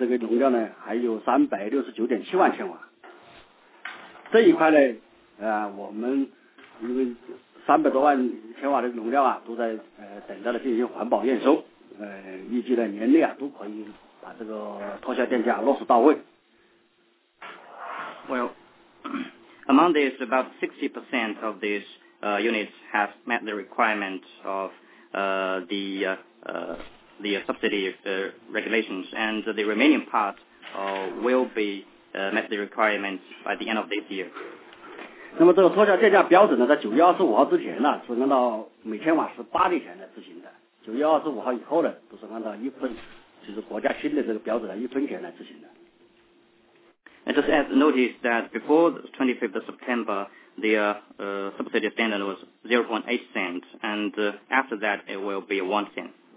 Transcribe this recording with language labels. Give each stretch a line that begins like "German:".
Chinese: 那么已经落实脱销电价的当地容量呢，达到了3,471.3万千瓦，占整个公司的煤机容量的60%，等待落实的这个脱销电价的这个容量呢，还有369.7万千瓦。这一块呢，我们因为300多万千瓦的容量啊，都在等待着进行环保验收，预计呢年内啊都可以把这个脱销电价落实到位。
English: Well, among these, about 60% of these units have met the requirements of the subsidy regulations, and the remaining part will be. Met the requirements by the end of this year.
Chinese: 那么这个脱销电价标准呢，在9月25号之前呢，是按照每千瓦是8厘钱来执行的。9月25号以后呢，都是按照一分，就是国家新的这个标准来1分钱来执行的。
English: And just as notice that before the 25th of September, the subsidy standard was 0.8 cents, and after that, it will be 1 cent.